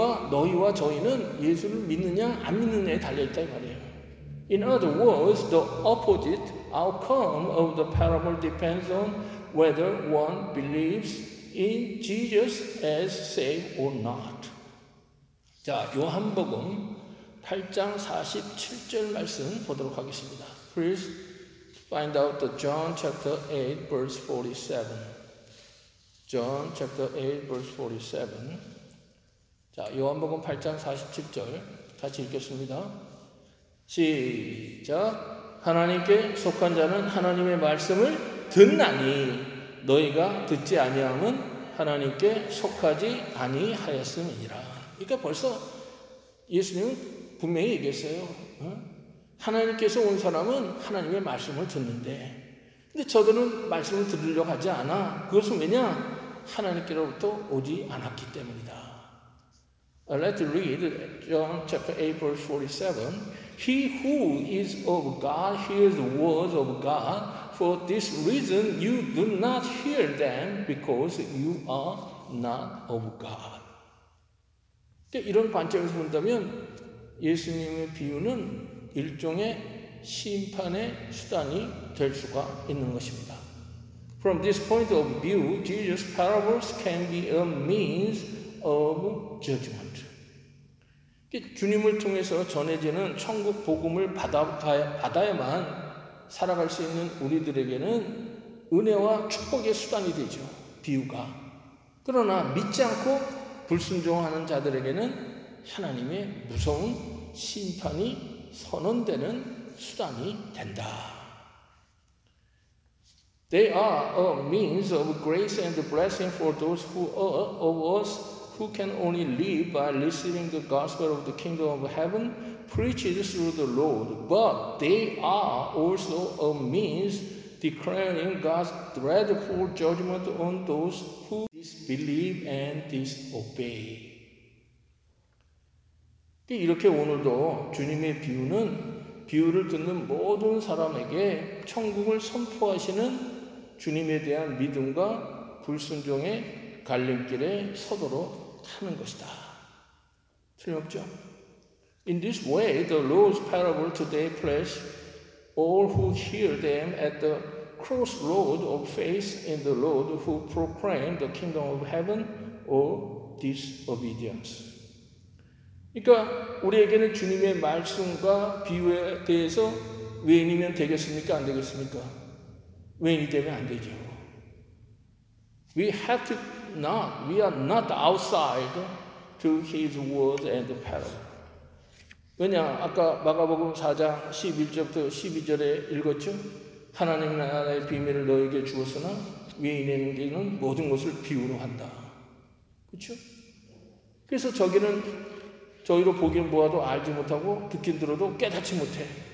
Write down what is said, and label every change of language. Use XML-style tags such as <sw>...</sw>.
<ko>너희와 저희는 예수를 믿느냐 안 믿느냐에 달려있다 이 말이에요.</ko> <en>In other words, the opposite outcome of the parable depends on whether one believes in Jesus as saved or not.</en> <ko>자, 요한복음 8장 47절 말씀 보도록 하겠습니다.</ko> <en>Please find out the John chapter 8 verse 47. John chapter 8 verse 47.</en> <ko>자, 요한복음 8장 47절 같이 읽겠습니다. 시작. 하나님께 속한 자는 하나님의 말씀을 듣나니 너희가 듣지 아니함은 하나님께 속하지 아니하였음이니라. 그러니까 벌써 예수님은 분명히 얘기했어요. 하나님께서 온 사람은 하나님의 말씀을 듣는데, 근데 저들은 말씀을 들으려고 하지 않아. 그것은 왜냐? 하나님께로부터 오지 않았기 때문이다.</ko> <en>Let's read John chapter 8 verse 47. He who is of God hears the words of God. For this reason you do not hear them because you are not of God.</en> <ko>그러니까 이런 관점에서 본다면 예수님의 비유는 일종의 심판의 수단이 될 수가 있는 것입니다.</ko> <en>From this point of view, Jesus' parables can be a means of judgment.</en> <ko>주님을 통해서 전해지는 천국 복음을 받아야만 살아갈 수 있는 우리들에게는 은혜와 축복의 수단이 되죠. 비유가. 그러나 믿지 않고 불순종하는 자들에게는 하나님의 무서운 심판이 선언되는 수단이 된다.</ko> <en>They are a means of grace and blessing for those who are of us who can only live by receiving the gospel of the kingdom of heaven preached through the Lord. But they are also a means declaring God's dreadful judgment on those who disbelieve and disobey.</en> <ko>이렇게 오늘도 주님의 비유는 비유를 듣는 모든 사람에게 천국을 선포하시는 주님에 대한 믿음과 불순종의 갈림길에 서도록 하는 것이다. 틀림없죠?</ko> <en>In this way, the Lord's parable today place all who hear them at the crossroad of faith in the Lord who proclaim the kingdom of heaven or disobedience.</en> <ko>그러니까 우리에게는 주님의 말씀과 비유에 대해서 외인이면 되겠습니까? 안 되겠습니까? 외인이 되면 안 되죠.</ko> <en>We are not outside to his words and parable.</en> <ko>왜냐? 아까 마가복음 4장 11절부터 12절에 읽었죠? 하나님 나라의 비밀을 너에게 주었으나 외인에게는 모든 것을 비유로 한다. 그렇죠? 그래서 저기는 저희로 보기는 보아도 알지 못하고 듣긴 들어도 깨닫지 못해.</ko>